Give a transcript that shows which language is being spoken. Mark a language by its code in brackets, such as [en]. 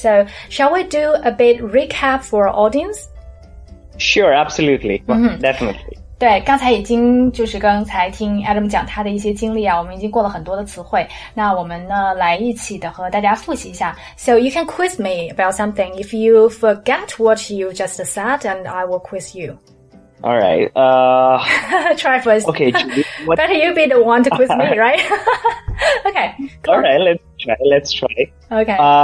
[en] So shall we do a bit recap for our audience? Sure, absolutely. Mm-hmm. Definitely. [zh] 对，刚才已经就是刚才听 Adam 讲他的一些经历啊，我们已经过了很多的词汇。那我们呢，来一起的和大家复习一下。 [en] So you can quiz me about something if you forget what you just said, and I will quiz you. All right. try first. Okay. Better you be the one to quiz me, right? Okay. All right. Let's try. Okay.